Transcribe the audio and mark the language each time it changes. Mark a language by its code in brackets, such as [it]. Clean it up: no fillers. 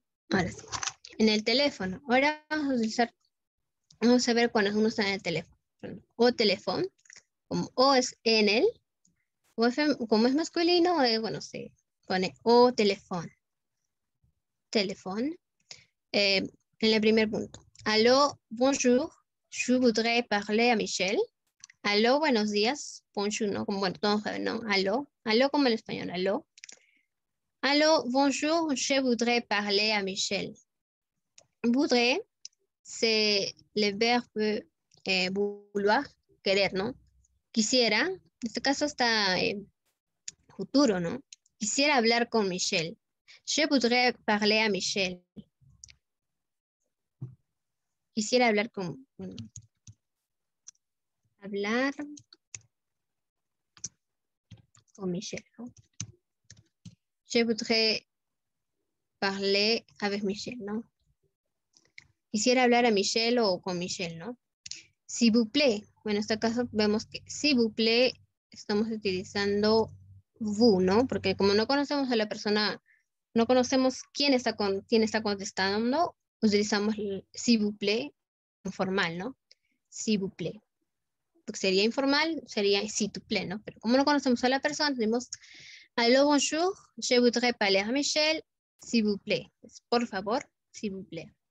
[es] Ahora sí. En el teléfono. Ahora vamos a utilizar. Vamos a ver cuando uno está en el teléfono. O teléfono. Como O es en el. O como es masculino, bueno, se pone O teléfono. Teléfono. En el primer punto. [fr] Aló, bonjour, je voudrais parler à Michel. [es] Aló, buenos días, bonjour, ¿no? Como, bueno, todos saben, ¿no? Aló. Aló como en español, aló. [fr] Aló, bonjour, je voudrais parler à Michel. Voudrais, c'est le verbe vouloir, [es] querer, ¿no? Quisiera, en este caso está futuro, ¿no? Quisiera hablar con Michel. [fr] Je voudrais parler à Michel. [es] Quisiera hablar con... Bueno, hablar con Michel. ¿No? [fr] Je voudrais parler avec Michel, [es] ¿no? Quisiera hablar a Michel o con Michel, ¿no? [fr] S'il vous plaît. [es] Bueno, en este caso vemos que [fr] s'il vous plaît [es] estamos utilizando vous, ¿no? Porque como no conocemos a la persona, no conocemos quién está contestando, ¿no? Utilizamos s'il vous plaît. Informal, ¿no? [fr] S'il vous plaît. [es] Porque sería informal, sería s'il vous plaît, ¿no? Pero como no conocemos a la persona, tenemos [fr] allô, bonjour, je voudrais parler à Michel, s'il vous plaît. [es] Por favor, s'il vous plaît.